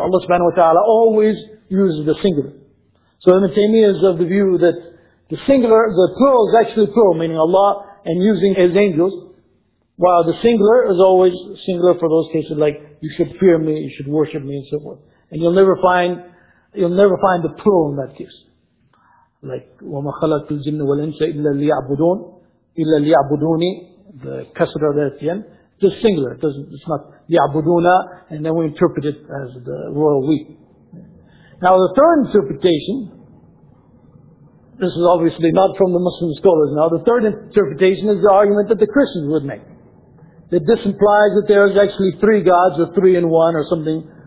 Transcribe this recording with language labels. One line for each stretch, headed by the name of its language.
English: Allah subhanahu wa ta'ala always uses the singular. So Ibn Taymiyyah is of the view that the singular, the plural is actually plural, meaning Allah and using His angels, while the singular is always singular for those cases like, you should fear me, you should worship me, and so forth. And you'll never find the plural in that case. Like,
Arabic: وَمَا خَلَقْتُ الْجِنَّ وَالْإِنسَ إِلَّا لِيَعْبُدُونَ إِلَّا لِيَعْبُدُونِي,
English: the kasra there at the end. Just singular. It's not يَعْبُدُونَ, and then we interpret it as the royal we. Now the third interpretation, this is obviously not from the Muslim scholars now, the third interpretation is the argument that the Christians would make. That this implies that there is actually three gods, or three in one, or something